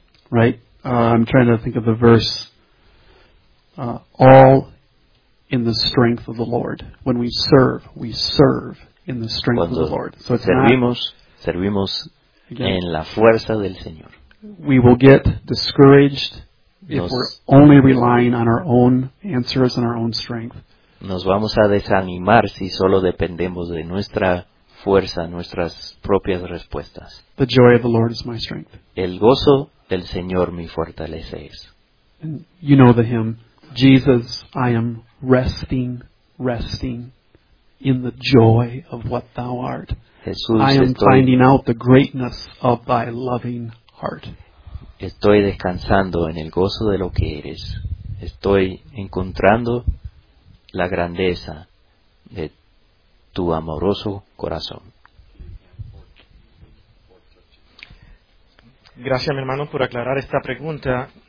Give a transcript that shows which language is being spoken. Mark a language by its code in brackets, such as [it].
[en] Right? I'm trying to think of the verse. All in the strength of the Lord. When we serve in the strength [es] cuando [en] of the Lord. So it's [es] servimos, [en] not, [es] servimos [en] again, [es] en la fuerza del Señor. [en] We will get discouraged if we're only relying on our own answers and our own strength. [es] Nos vamos a desanimar si solo dependemos de nuestra fuerza, nuestras propias respuestas. [en] The joy of the Lord is my strength. [es] El gozo del Señor mi fortaleza es. [en] And you know the hymn, Jesus, I am resting, resting in the joy of what thou art. [es] Jesús, [en] I am finding out the greatness of thy loving heart. [es] Estoy descansando en el gozo de lo que eres. Estoy encontrando la grandeza de tu amoroso corazón. Gracias, mi hermano, por aclarar esta pregunta.